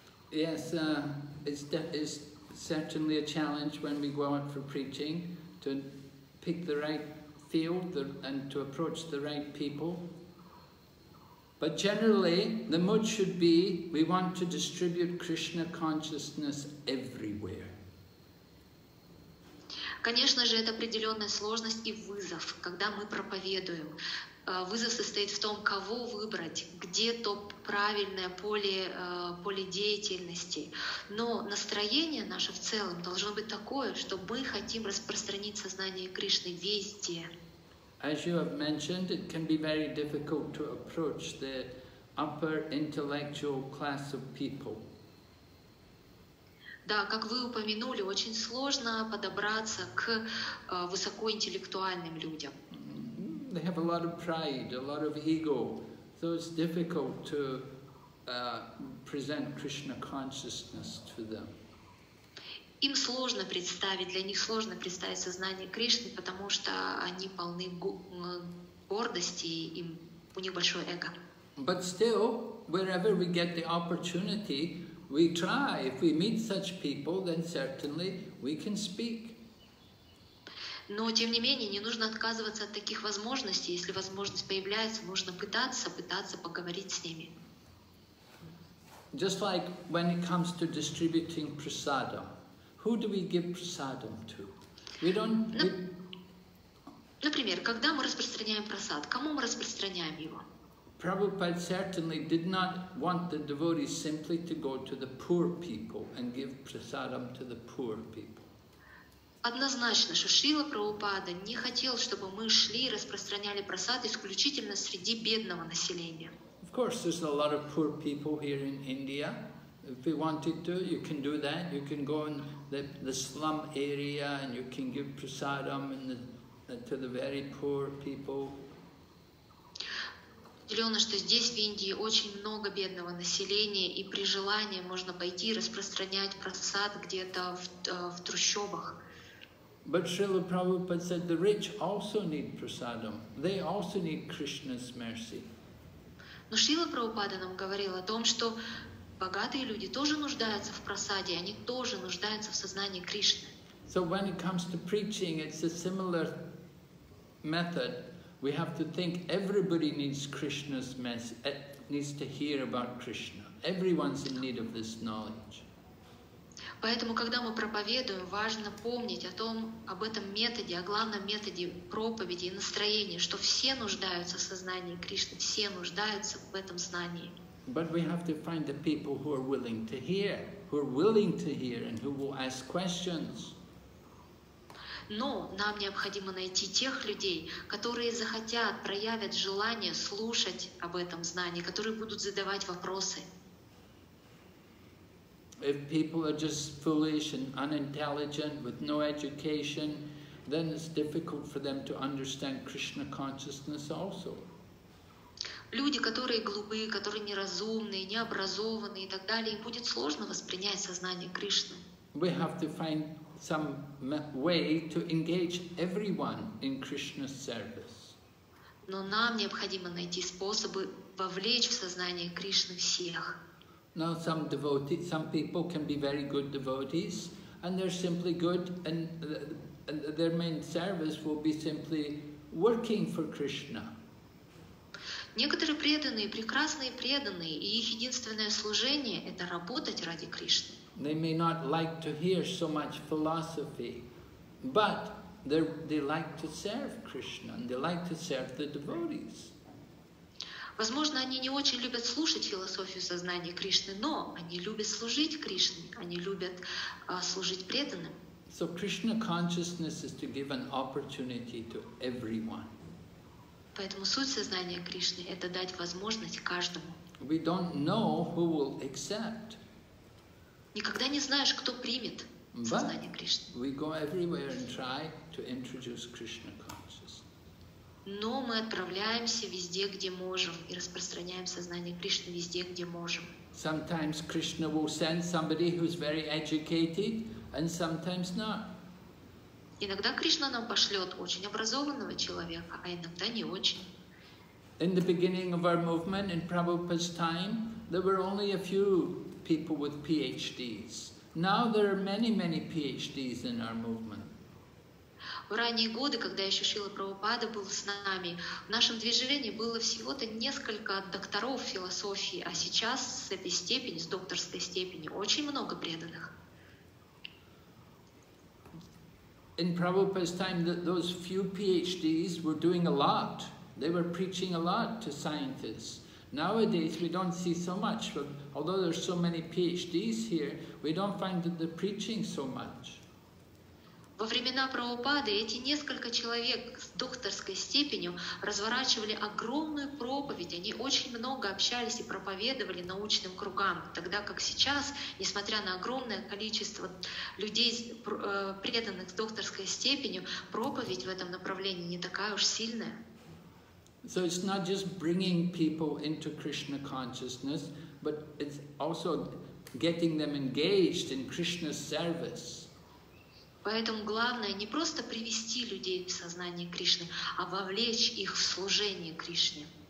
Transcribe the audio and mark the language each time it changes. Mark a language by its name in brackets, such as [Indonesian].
[English] Yes, it's certainly a challenge when we go out for preaching to pick the right field and to approach the right people. But generally, the mood should be, we want to distribute Krishna consciousness everywhere. [Russian] Конечно же, это определенная сложность и вызов, когда мы проповедуем. Вызов состоит в том, кого выбрать, где то правильное поле деятельности. Но настроение наше в целом должно быть такое, что мы хотим распространить сознание Кришны везде. [English] As you have mentioned, it can be very difficult to approach the upper intellectual class of people. [Russian] Да, как вы упомянули, очень сложно подобраться к высокоинтеллектуальным людям. [English] They have a lot of pride, a lot of ego, so it's difficult to present Krishna consciousness to them. [Russian] Им сложно представить, для них сложно представить сознание Кришны, потому что они полны гордости, им у них большое эго. [English] But still, wherever we get the opportunity, we try. If we meet such people, then certainly we can speak. [Russian] Но тем не менее, не нужно отказываться от таких возможностей. Если возможность появляется, нужно пытаться поговорить с ними. [English] Just like when it comes to distributing prasadam. Who do we give prasadam to? We don't. [Russian] Например, когда мы распространяем прасад, кому мы распространяем его? [English] Prabhupada certainly did not want the devotees simply to go to the poor people and give prasadam to the poor people. [Russian] Однозначно, что Шрила Прабхупада не хотел, чтобы мы шли и распространяли прасад исключительно среди бедного населения. [English] Of course, there's a lot of poor people here in India. If you wanted to, you can do that. You can go in the slum area and you can give prasadam to the very poor people. [Russian] Определенно, что здесь в Индии очень много бедного населения, и при желании можно пойти распространять прасад где-то в трущобах. [English] But Srila Prabhupada said the rich also need prasadam. They also need Krishna's mercy. [Russian] Но Шрила Прабхупада нам говорил о том, что богатые люди тоже нуждаются в прасаде, они тоже нуждаются в сознании Кришны. [English] So when it comes to preaching, it's a similar method. We have to think everybody needs Krishna's message, needs to hear about Krishna. Everyone's in need of this knowledge. [Russian] Поэтому, когда мы проповедуем, важно помнить о том, об этом методе, о главном методе проповеди и настроении, что все нуждаются в сознании Кришны, все нуждаются в этом знании. [English] But we have to find the people who are willing to hear, and who will ask questions. [Russian] Но нам необходимо найти тех людей, которые захотят, проявят желание слушать об этом знании, которые будут задавать вопросы. [English] If people are just foolish and unintelligent with no education, then it's difficult for them to understand Krishna consciousness also. [Russian] Люди, которые глупые, которые неразумные, необразованные и так далее, им будет сложно воспринять сознание Кришны. [English] We have to find some way to engage everyone in Krishna's service. [Russian] Но нам необходимо найти способы вовлечь в сознание Кришны всех. [English] Now some people can be very good devotees, and they're simply good, and their main service will be simply working for Krishna. [Russian] Некоторые преданные, прекрасные преданные, и их единственное служение – это работать ради Кришны. [English] They may not like to hear so much philosophy, but they like to serve Krishna, and they like to serve the devotees. [Russian] Возможно, они не очень любят слушать философию сознания Кришны, но они любят служить Кришне, они любят служить преданным. [English] So Krishna consciousness is to give an opportunity to everyone. [Russian] Поэтому суть сознания Кришны – это дать возможность каждому. [English] We don't know who will accept. [Russian] Никогда не знаешь, кто примет сознание Кришны. [English] We go everywhere and try to introduce Krishna consciousness. [Russian] Но мы отправляемся везде, где можем, и распространяем сознание Кришны везде, где можем. [English] Sometimes Krishna will send somebody who's very educated, and sometimes not. [Russian] Иногда Кришна нам пошлет очень образованного человека, а иногда не очень. [English] In the beginning of our movement, in Prabhupada's time, there were only a few people with PhDs. Now there are many, many PhDs in our movement. [Russian] В ранние годы, когда еще Шрила Прабхупада был с нами, в нашем движении было всего-то несколько докторов философии, а сейчас с этой степени, с докторской степени, очень много преданных. [English] In Prabhupada's time, those few PhDs were doing a lot. They were preaching a lot to scientists. Nowadays, we don't see so much, but although there's so many PhDs here, we don't find that they're preaching so much. [Russian] Во времена Прабхупады эти несколько человек с докторской степенью разворачивали огромную проповедь, они очень много общались и проповедовали научным кругам, тогда как сейчас, несмотря на огромное количество людей, преданных с докторской степенью, проповедь в этом направлении не такая уж сильная. [English] So it's not just bringing people into Krishna consciousness, but it's also getting them engaged in Krishna's service. [Russian] Поэтому главное не просто привести людей в сознание Кришны, а вовлечь их в служение Кришне.